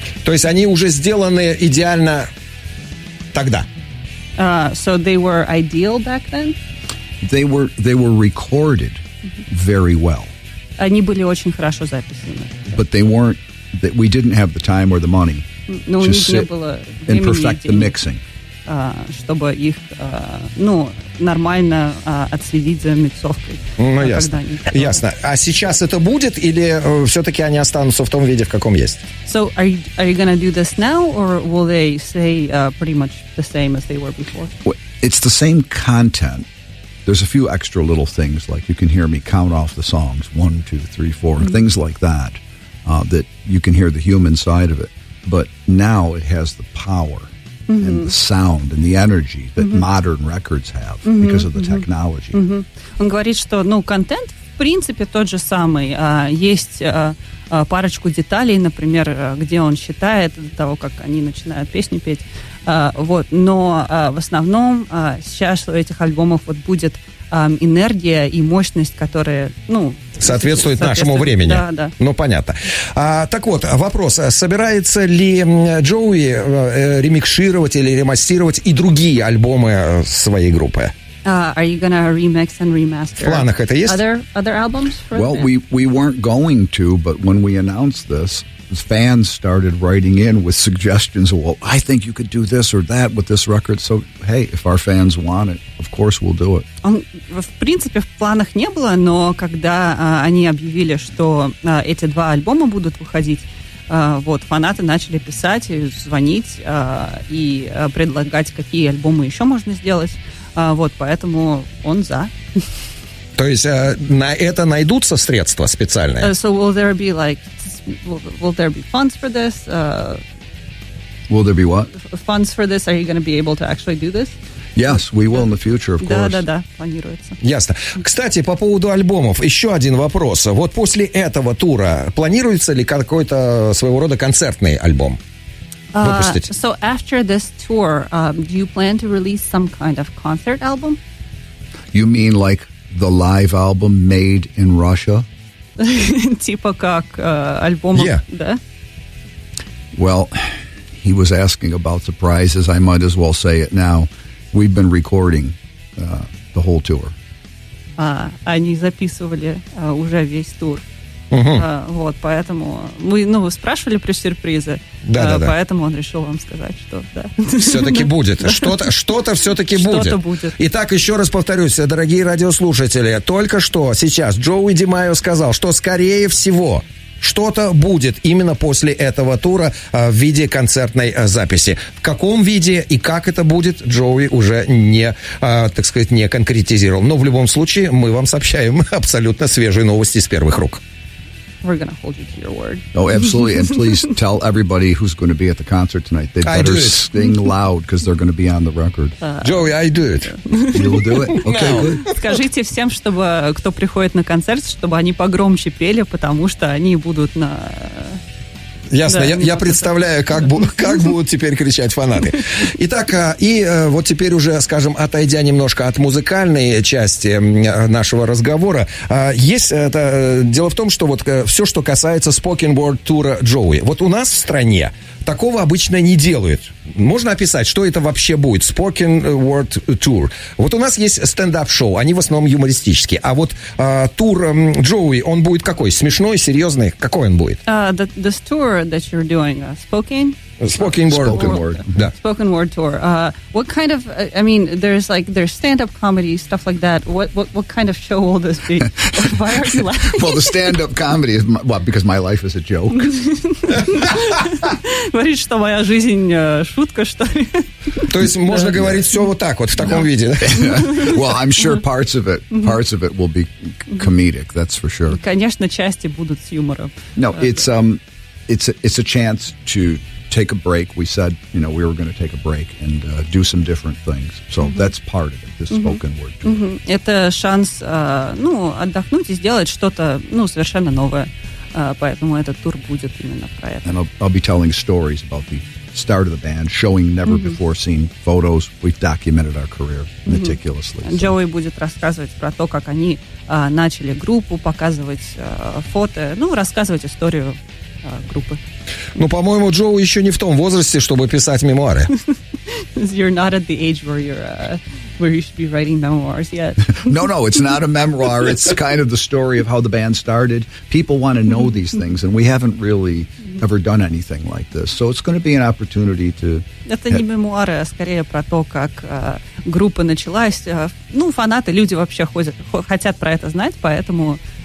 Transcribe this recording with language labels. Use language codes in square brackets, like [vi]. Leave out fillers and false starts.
[ru] То есть они уже сделаны идеально тогда? [en] So they were ideal back then? They were recorded very well. [ru] Они были очень хорошо записаны. [en] But they weren't, that we didn't have the time or the money to sit and perfect the mixing. [ru] Чтобы их, нормально отследить за миксовкой. Ясно. А сейчас это будет или все-таки они останутся в том виде, в каком есть? [en] So are you going to do this now or will they stay pretty much the same as they were before? It's the same content. There's a few extra little things, like you can hear me count off the songs, 1, 2, 3, 4, mm-hmm. things like that, that you can hear the human side of it. But now it has the power mm-hmm. and the sound and the energy that mm-hmm. modern records have mm-hmm. because of the mm-hmm. technology. Mm-hmm. [ru] Он говорит, что, контент, в принципе, тот же самый. Есть парочку деталей, например, где он считает до того, как они начинают песню петь. В основном сейчас у этих альбомов вот будет энергия и мощность, которая, соответствует нашему времени. Да. Понятно. Так вот, вопрос. Собирается ли Джоуи ремикшировать или ремастировать и другие альбомы своей группы? [en] Are you going to remix and remaster? [ru] В планах это есть? [en] Other albums? For well, we weren't going to, but when we announced this, fans started writing in with suggestions. Well, I think you could do this or that with this record. So, hey, if our fans want it, of course we'll do it. [ru] В принципе, в планах не было, но когда они объявили, что эти два альбома будут выходить, фанаты начали писать, звонить и предлагать, какие альбомы еще можно сделать. Поэтому он за. То есть на это найдутся средства специальные? [en] So will there be like... Will there be funds for this? Will there be what? Funds for this? Are you going to be able to actually do this? Yes, we will in the future, of course. [ru] Да, планируется. Ясно. Кстати, по поводу альбомов, еще один вопрос. Вот после этого тура планируется ли какой-то своего рода концертный альбом выпустить? [en] So after this tour, do you plan to release some kind of concert album? You mean like the live album made in Russia? [ru] Типа как альбом, да? [en] Well, he was asking about surprises. I might as well say it now. We've been recording the whole tour. [ru] Они записывали уже весь тур. Поэтому мы, спрашивали про сюрпризы. Да. Поэтому он решил вам сказать, что да. Все-таки будет. Что-то все-таки будет. Что-то будет. Итак, еще раз повторюсь, дорогие радиослушатели, только что сейчас Джоуи Ди Майо сказал, что скорее всего что-то будет именно после этого тура в виде концертной записи. В каком виде и как это будет, Джоуи уже не конкретизировал. Но в любом случае мы вам сообщаем абсолютно свежие новости с первых рук. [en] We're going to hold you to your word. Oh, absolutely. And please tell everybody who's going to be at the concert tonight. They better sing loud because they're going to be on the record. Joey, I do it. You will do it? Okay, no. Good. [ru] Скажите всем, чтобы кто приходит на концерт, чтобы они погромче пели, потому что они будут на... Ясно, я представляю, как будут теперь кричать фанаты. Итак, и вот теперь уже, скажем, отойдя немножко от музыкальной части нашего разговора, есть это дело в том, что вот все, что касается Spoken Word тура Джоуи, вот у нас в стране такого обычно не делают. Можно описать, что это вообще будет? [en] Spoken Word Tour. [ru] Вот у нас есть стендап-шоу, они в основном юмористические. А вот тур Джоуи, он будет какой? Смешной, серьезный? Какой он будет? [en] This tour, word that you're doing, spoken? Spoken word. Yeah. Spoken word tour. What kind of, I mean, there's stand-up comedy, stuff like that. What kind of show will this be? Why are you laughing? Well, the stand-up comedy is, because my life is a joke. [ru] Говорит, что моя жизнь шутка, что ли? То есть можно говорить все вот так вот, в таком виде. [en] Well, I'm sure parts of it will be comedic, that's for sure. [ru] Конечно, части будут с юмором. [en] No, it's a chance to take a break. We said, you know, we were going to take a break and do some different things. So that's part of it, this spoken word tour. [ru] Это шанс, отдохнуть и сделать что-то, совершенно новое. Поэтому этот тур будет именно про это. [en] And I'll be telling stories about the start of the band, showing never-before-seen photos. We've documented our career meticulously. [ru] Джоуи будет рассказывать про то, как они начали группу, показывать фото, рассказывать историю группы. Ну, по-моему, Джоу еще не в том возрасте, чтобы писать мемуары. [en] You're not at the age where you're... Where you should be writing memoirs yet. No, it's not a memoir. It's kind of the story of how the band started. People want to know these things, and we haven't really ever done anything like this. So it's going to be an opportunity to... [ru] Это не мемуары, а скорее про то, как группа началась. Фанаты, люди вообще хотят про это знать, поэтому...